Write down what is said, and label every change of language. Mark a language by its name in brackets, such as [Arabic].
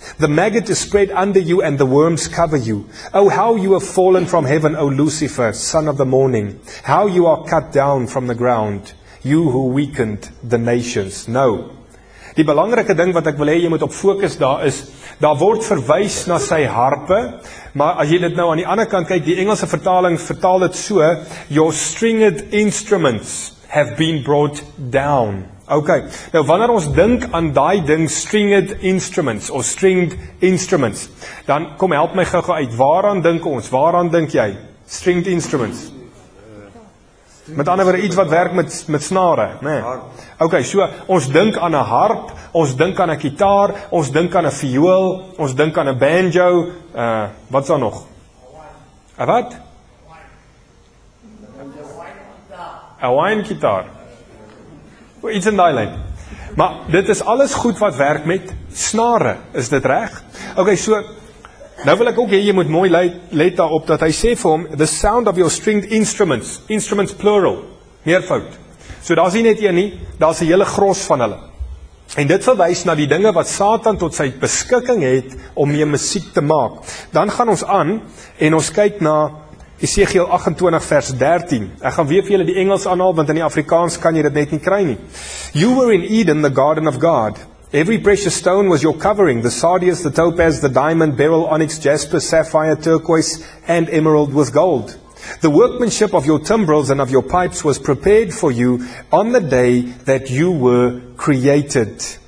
[English] The maggot is spread under you, and the worms cover you. Oh, how you have fallen from heaven, O Lucifer, son of the morning. How you are cut down from the ground, you who weakened the nations. [Afrikaans] Nou, die belangrike ding wat ek wil hê jy moet op fokus daar is, daar word verwys na sy harpe, maar as jy dit nou aan die ander kant kyk, die Engelse vertaling vertaal dit so, [English] your stringed instruments have been brought down. [Afrikaans] OK, nou wanneer ons dink aan daai ding, stringed instruments, of stringed instruments, dan kom help my gou uit, waaraan dink ons, waaraan dink jy, stringed instruments? Met ander woorde, iets wat werk met snare, né? Nee. OK, so ons dink aan 'n harp, ons dink aan 'n kitaar, ons dink aan 'n viool, ons dink aan 'n banjo, wat is daar nog? A wat? A wine kitaar. Iets in daai lyn. Maar dit is alles goed wat werk met snare, is dit reg? OK, so nou wil ek ook hê jy moet mooi let daarop dat hy sê vir hom, [English] the sound of your stringed instruments, [Afrikaans] instruments plural, meervoud. So daar is nie net een nie, daar is 'n hele gros van hulle. En dit verwys na die dinge wat Satan tot sy beskikking het om mee musiek te maak. Dan gaan ons aan en ons kyk na Esegiel 28 vers 13. Ek gaan weer vir julle die Engels aanhaal, want in die Afrikaans kan jy dit net nie kry nie. [English] You were in Eden, the garden of God. Every precious stone was your covering, the sardius, the topaz, the diamond, beryl, onyx, jasper, sapphire, turquoise, and emerald with gold. The workmanship of your timbrels and of your pipes was prepared for you on the day that you were created.